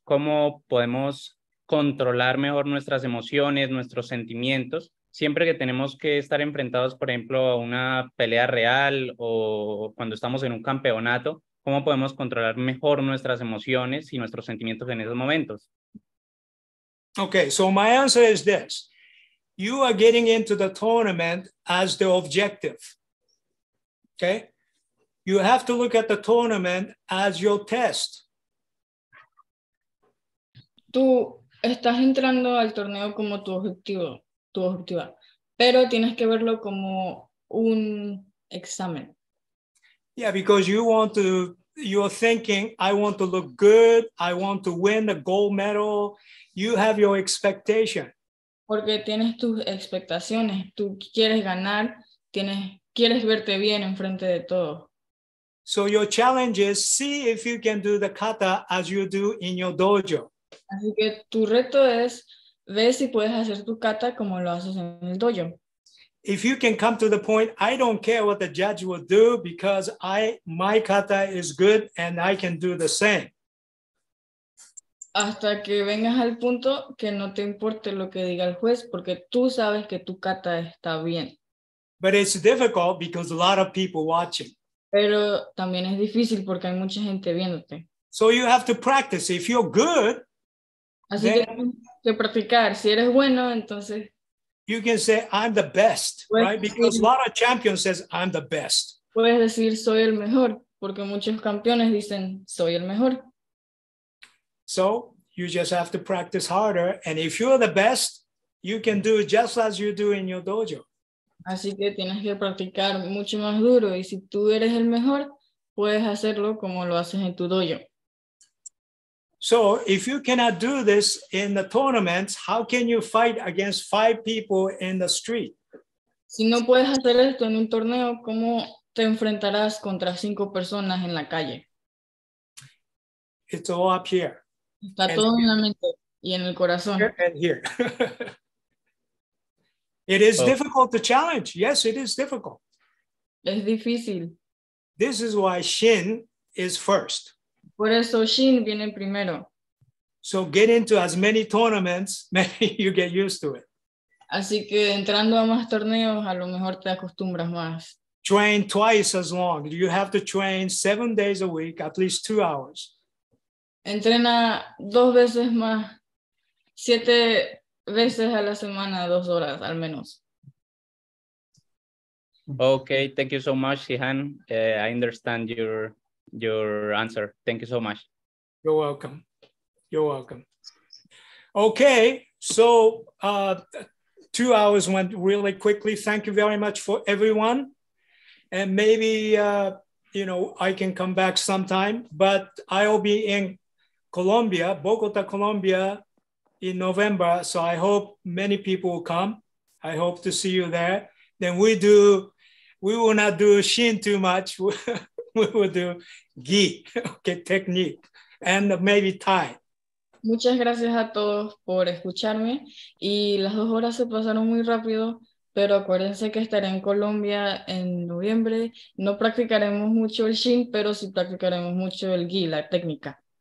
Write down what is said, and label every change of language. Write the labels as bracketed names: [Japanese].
[Spanish] ¿Cómo podemos controlar mejor nuestras emociones, nuestros sentimientos, siempre que tenemos que estar enfrentados, por ejemplo, a una pelea real o cuando estamos en un campeonato? ¿Cómo podemos controlar mejor nuestras emociones y nuestros sentimientos en esos momentos? [English] Ok, so my answer is this. You are getting into the tournament as the objective. Ok. You have to look at the tournament as your test. [Spanish] Tú estás entrando al torneo como tu objetivo, pero tienes que verlo como un examen. [English] Yeah, because you're thinking, I want to look good, I want to win the gold medal. You have your expectation. [Spanish] Porque tienes tus expectaciones, tú quieres ganar, quieres verte bien enfrente de todos. [English] So your challenge is see if you can do the kata as you do in your dojo. [Spanish] Así que tu reto es ver si puedes hacer tu kata como lo haces en el dojo. [English] If you can come to the point, I don't care what the judge will do because my kata is good and I can do the same. [Spanish] Hasta que vengas al punto que no te importe lo que diga el juez porque tú sabes que tu kata está bien. [English] But it's difficult because a lot of people watching. [Spanish] Pero también es difícil porque hay mucha gente viéndote. [English] So you have to practice. If you're good, [Spanish] así que tienes que practicar. Si eres bueno, entonces [English] you can say I'm the best, [Spanish] pues, [English] right? Because a lot of champions says I'm the best. [Spanish] Puedes decir soy el mejor porque muchos campeones dicen soy el mejor. [English] So you just have to practice harder, and if you're the best, you can do it just as you do in your dojo. [Spanish] Así que tienes que practicar mucho más duro, y si tú eres el mejor, puedes hacerlo como lo haces en tu dojo. [English] So if you cannot do this in the tournaments, how can you fight against 5 people in the street? [Spanish] Si no puedes hacer esto en un torneo, ¿cómo te enfrentarás contra 5 personas en la calle? [English] It's all up here. [Spanish] Está todo en la mente y en el corazón. [English] And here. It is difficult to challenge. Yes, it is difficult. [Spanish] Es difícil. [English] This is why Shin is first. [Spanish] Por eso Shin viene primero. [English] So get into as many tournaments, maybe you get used to it. [Spanish] Así que entrando a más torneos, a lo mejor te acostumbras más. [English] Train twice as long. You have to train 7 days a week, at least 2 hours. [Spanish] Entrena 2 veces más, 7 veces a la semana, 2 horas al menos. [English] Okay, thank you so much, Shihan. I understand your answer. Thank you so much. You're welcome. You're welcome. Okay, so 2 hours went really quickly. Thank you very much for everyone. And maybe, I can come back sometime, but I'll be in Colombia, Bogota, Colombia, in November. So I hope many people will come. I hope to see you there. Then we will not do Shin too much. We will do Gi, okay, technique, and maybe Tai. [Spanish] Muchas gracias a todos por escucharme. Y las 2 horas se pasaron muy rápido, pero acuérdense que estaré en Colombia en noviembre. No practicaremos mucho el Shin, pero sí practicaremos mucho el Gi, la técnica.